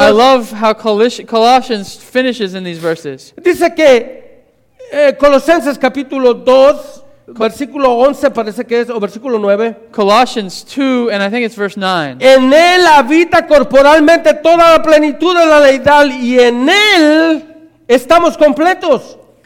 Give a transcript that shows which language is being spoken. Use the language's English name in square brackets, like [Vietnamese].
[English] I love how Colossians finishes in these verses. [Spanish] Dice que Colosenses capítulo 2, versículo 11 parece que es, o versículo 9. [English] Colossians 2 and I think it's verse 9. [Spanish] En él habita corporalmente toda la plenitud de la deidad y en él estamos completos.